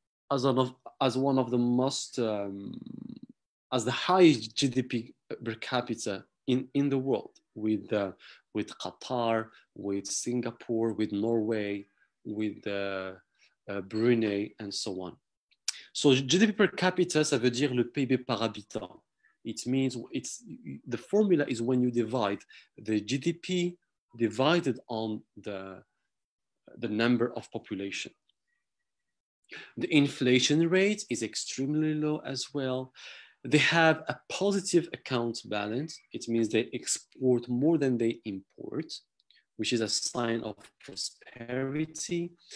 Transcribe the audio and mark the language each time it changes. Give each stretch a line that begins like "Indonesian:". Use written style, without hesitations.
English: as the highest GDP per capita in the world, with Qatar, with Singapore, with Norway, with Brunei, and so on. So GDP per capita,
French: ça veut dire le PIB par habitant.
English: It means the formula is when you divide the GDP divided on the number of population. The inflation rate is extremely low as well. They have a positive account balance. It means they export more than they import, which is a sign of prosperity.